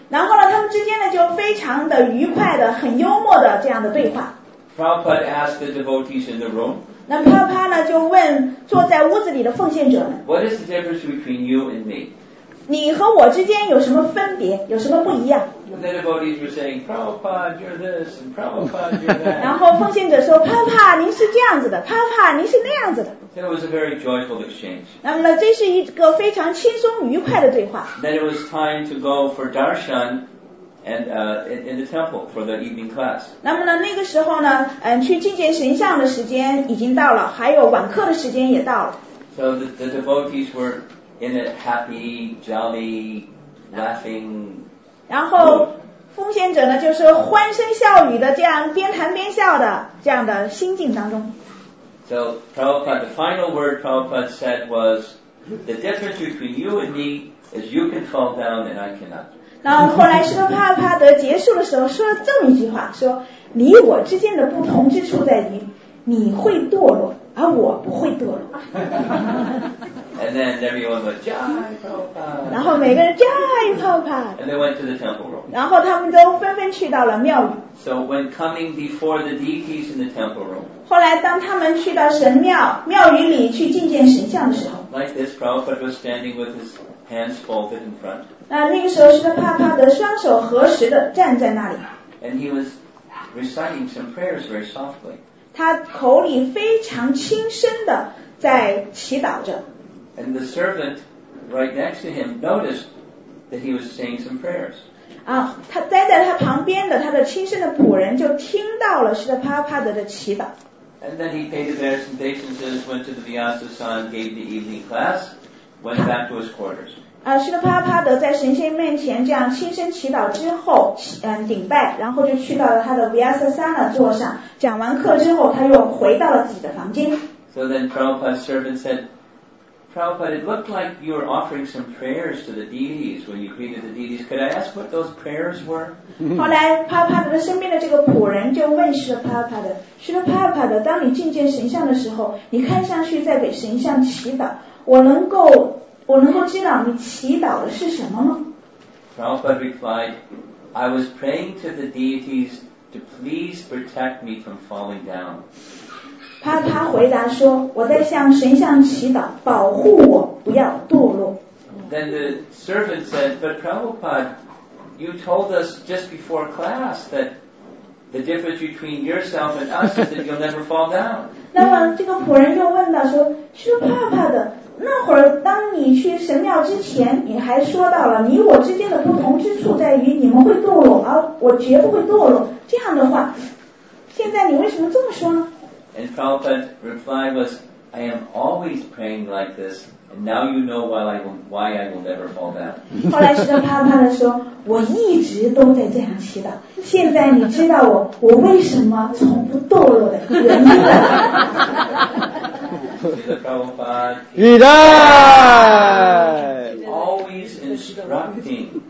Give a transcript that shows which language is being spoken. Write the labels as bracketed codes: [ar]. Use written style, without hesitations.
[zh] 然后呢，他们之间呢就非常的愉快的、很幽默的这样的对话。 [en] Prabhupada asked the devotees in the room. [zh] 那帕帕呢就问坐在屋子里的奉献者们。 [en] What is the difference between you and me? [zh] 你和我之间有什么分别？有什么不一样？ [en] The devotees were saying, Prabhupada, you're this, and Prabhupada, you're that. [zh] 然后奉献者说，帕帕您是这样子的，帕帕您是那样子的。 [en] So it was a very joyful exchange. [zh] 那么呢，这是一个非常轻松愉快的对话。 [en] Then it was time to go for darshan and in the temple for the evening class. [zh] 那么呢，那个时候呢，去觐见神像的时间已经到了，还有晚课的时间也到了。 [en] So the devotees were in a happy, jolly, laughing. [zh] 然后奉献者呢，就是欢声笑语的这样边谈边笑的这样的心境当中。 [en] So Prabhupada, the final word Prabhupada said was, the difference between you and me is you can fall down and I cannot. [zh] 那后来是帕帕德结束的时候说了这么一句话，说你我之间的不同之处在于，你会堕落，而我不会堕落。 [en] And then everyone went, Jai Prabhupada. [zh] 然后每个人 Jai Prabhupada. [en] And they went to the temple room. [zh] 然后他们都纷纷去到了庙宇。 [en] So when coming before the deities in the temple room, [zh] 后来当他们去到神庙庙宇里去觐见神像的时候， [en] like this, Prabhupada was standing with his hands folded in front. [zh] 那个时候是他帕帕德双手合十的站在那里。 [en] And he was reciting some prayers very softly. [zh] 他口里非常轻声的在祈祷着。 [en] And the servant right next to him noticed that he was saying some prayers. [zh] 啊，他待在他旁边的他的亲生的仆人就听到了是的帕帕德的祈祷。 [en] And then he paid the presentations, went to the Vyasa-san, gave the evening class, went back to his quarters. [zh] Srila Prabhupada 在神仙面前这样轻声祈祷之后，顶拜，然后就去到了他的 Vyasasana 座上，讲完课之后，他又回到了自己的房间。 [en] So then Prabhupada's servant said, Prabhupada, it looked like you were offering some prayers to the deities when you greeted the deities. Could I ask what those prayers were? [zh] 后来 Prabhupada 的身边的这个仆人就问 Srila Prabhupada, Srila Prabhupada, 当你觐见神像的时候，你看上去在给神像祈祷，我能够知道你祈祷的是什么吗？ [en] Prabhupada replied, I was praying to the deities to please protect me from falling down. [zh] 他回答说，我在向神像祈祷，保护我不要堕落。 [en] Then the servant said, but Prabhupada, you told us just before class that the difference between yourself and us is that you'll never fall down. [zh] 那么这个仆人又问到说，是Prabhupada的那会儿当你去神庙之前你还说到了你我之间的不同之处在于你们会堕落而我绝不会堕落这样的话现在你为什么这么说呢 [en] And Prabhupada's reply was I am always praying like this and now you know why I will never fall down [zh] 后来是啪啪的说我一直都在这样祈祷现在你知道我为什么从不堕落的原因了 [en] He always instructing.